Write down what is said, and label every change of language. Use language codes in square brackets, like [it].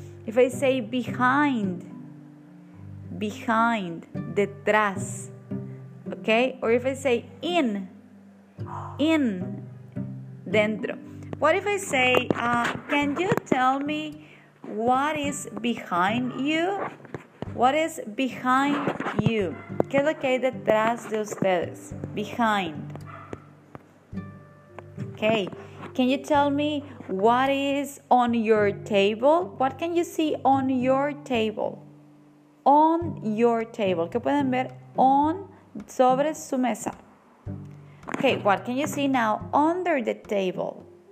[en] If I say behind, detrás. Okay, or if I say in, dentro. What if I say, can you tell me what is behind you? What is behind you? [es] ¿Qué es lo que hay detrás de ustedes? [en] Behind. Okay. Can you tell me what is on your table? What can you see on your table? On your table. [es] ¿Qué pueden ver on sobre su mesa? [en] Okay, what can you see now under the table?